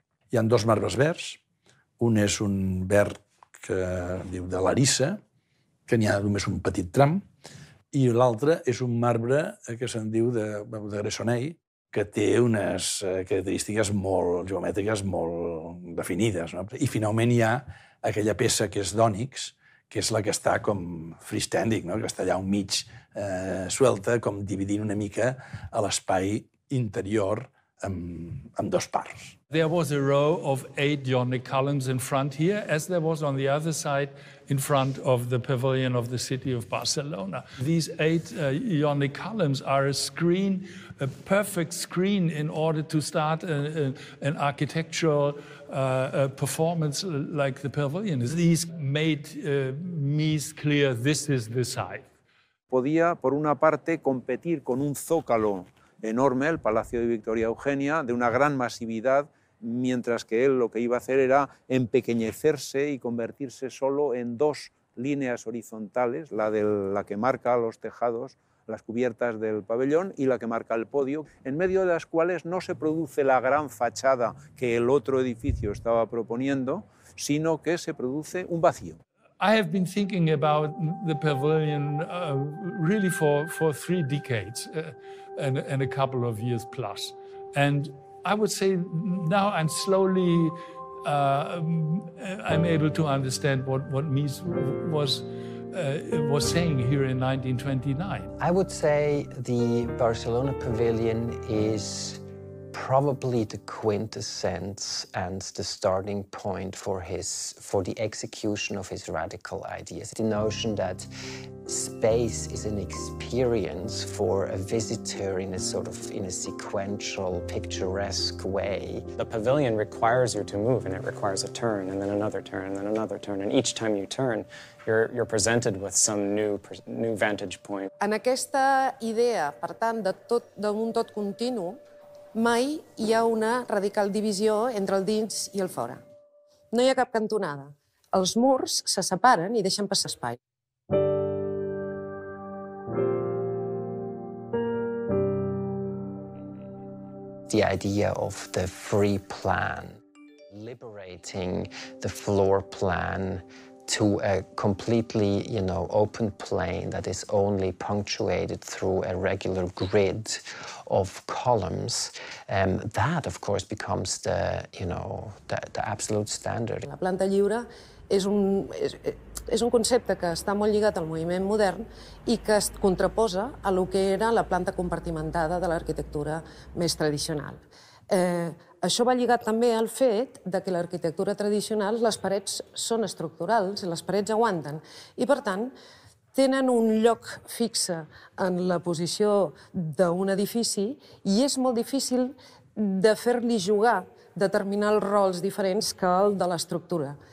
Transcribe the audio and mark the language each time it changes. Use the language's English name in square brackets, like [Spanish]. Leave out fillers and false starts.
[Catalan] Hi ha dos marbres verds. Un és un verd que diu de l'arissa, que n'hi ha només un petit tram, i l'altre és un marbre que se'n diu de Gressoney, que té unes característiques molt geomètriques, molt definides, no? I, finalment, hi ha aquella peça que és d'ònix, que és la que està com freestanding, no? Que està allà un mig suelta, com dividint una mica l'espai interior en dos parts. [English] There was a row of eight Ionic columns in front here, as there was on the other side in front of the pavilion of the city of Barcelona. These eight Ionic columns are a screen, a perfect screen in order to start an architectural performance like the pavilion. These made Mies clear this is the site. [Spanish] Podía, por una parte, competir con un zócalo enorme, el Palacio de Victoria Eugenia, de una gran masividad, mientras que él lo que iba a hacer era empequeñecerse y convertirse solo en dos líneas horizontales, la que marca los tejados, las cubiertas del pabellón, y la que marca el podio, en medio de las cuales no se produce la gran fachada que el otro edificio estaba proponiendo, sino que se produce un vacío. [English] I have been thinking about the pavilion really for three decades and a couple of years plus. And I would say now I'm slowly, I'm able to understand what Mies was saying here in 1929. I would say the Barcelona Pavilion is probably the quintessence and the starting point for the execution of his radical ideas. The notion that space is an experience for a visitor in a sort of, in a sequential, picturesque way. The pavilion requires you to move, and it requires a turn, and then another turn, and then another turn, and each time you turn, you're presented with some new vantage point. [Catalan] En aquesta idea, per tant, d'un tot continu, Mai hi ha una radical divisió entre el dins i el fora. No hi ha cap cantonada. Els murs se separen i deixen passar espai. [English] The idea of the free plan, liberating the floor plan to a completely, you know, open plane that is only punctuated through a regular grid of columns, that of course becomes the, you know, the absolute standard. [Catalan] La planta lliure és un concepte que està molt lligat al moviment modern i que es contraposa a lo que era la planta compartimentada de l'arquitectura més tradicional. Això va lligat també al fet de que l'arquitectura tradicional, les parets són estructurals i les parets aguanten i per tant tenen un lloc fixe en la posició d'un edifici i és molt difícil de fer-li jugar determinats rols diferents que el de l'estructura.